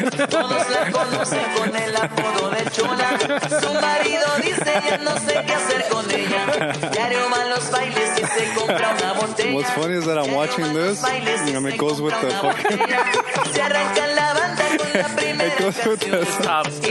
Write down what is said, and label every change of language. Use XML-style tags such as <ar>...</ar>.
<es>Todos la conocen con el apodo de Chona. Su marido dice ya no sé qué hacer con ella. Diario van los bailes y se compra una botella.</es> <en>What's funny is that I'm watching this and it goes with the fucking.</en> <es>Se arranca la banda con la primera canción.</es>